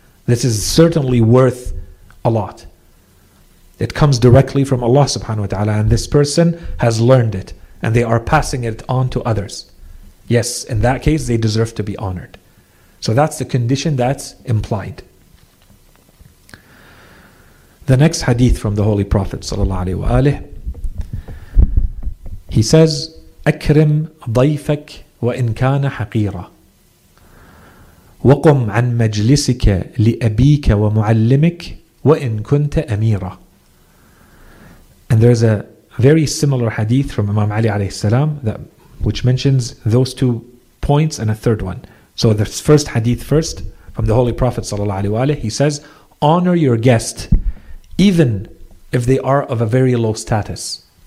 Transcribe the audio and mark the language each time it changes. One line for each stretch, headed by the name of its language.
English: This is certainly worth a lot. It comes directly from Allah subhanahu wa ta'ala, and this person has learned it, and they are passing it on to others. Yes, in that case, they deserve to be honored. So that's the condition that's implied. The next hadith from the Holy Prophet sallallahu alaihi wa alihi, he says,
Arabic: أكرم ضيفك وإن كان حقيرا وقم عن مجلسك لأبيك ومعلمك وإن كنت أميرا.
English: And there's a very similar hadith from Imam Ali alayhi salam that which mentions those two points and a third one. So the first hadith first from the Holy Prophet sallallahu alaihi wa alihi, he says, honor your guest even if they are of a very low status.